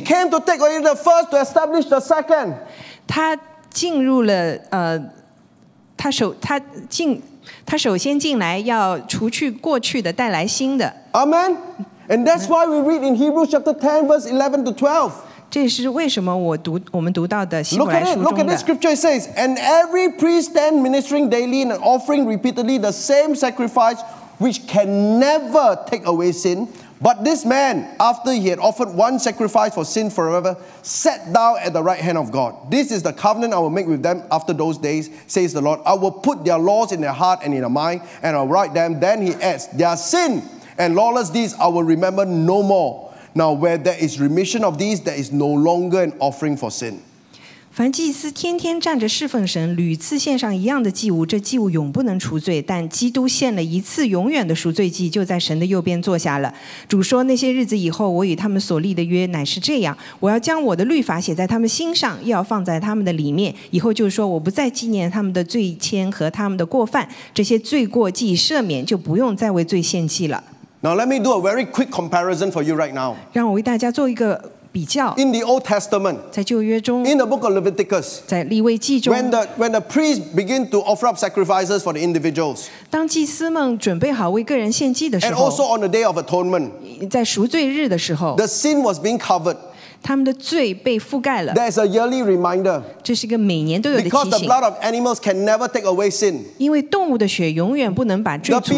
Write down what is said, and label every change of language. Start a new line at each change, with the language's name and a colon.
English: ，He came to take away the first to establish the second，
Chinese: 他进入了他首先进来要除去过去的带来新的
English: ，Amen， and that's why we read in Hebrews chapter 10 verse 11 to 12。
Chinese: 这是为什么我们读到的希伯来书中的。
English: Look at this scripture. It says, "And every priest then ministering daily and offering repeatedly the same sacrifice, which can never take away sin, but this man, after he had offered one sacrifice for sin forever, sat down at the right hand of God. This is the covenant I will make with them after those days," says the Lord. "I will put their laws in their heart and in their mind, and I'll write them." Then he adds, "Their sin and lawless deeds I will remember no more." Now, where there is remission of these, there is no longer an offering for sin.
Chinese: 凡祭司天天站着侍奉神，屡次献上一样的祭物，这祭物永不能除罪。但基督献了一次永远的赎罪祭，就在神的右边坐下了。主说：“那些日子以后，我与他们所立的约乃是这样：我要将我的律法写在他们心上，又要放在他们的里面。以后就说，我不再纪念他们的罪愆和他们的过犯，这些罪过既赦免，就不用再为罪献祭了。”
English: Now let me do a very quick comparison for you right now.
Chinese: 让我为大家做一个比较。
English: In the Old Testament,
Chinese: 在旧约中。
English: In the Book of Leviticus,
Chinese: 在立位记中。
English: When the priests begin to offer up sacrifices for the individuals,
Chinese: 当祭司们准备好为个人献祭的时候。
English: And also on the Day of Atonement,
Chinese: 在赎罪日的时候。
English: The sin was being covered.
Chinese: 他们的罪被覆盖了。
English: There's a yearly reminder.
Chinese: 这是一个每年都有的提醒。
English: Because the blood of animals can never take away sin.
Chinese: 因为动物的血永远不能把罪除去。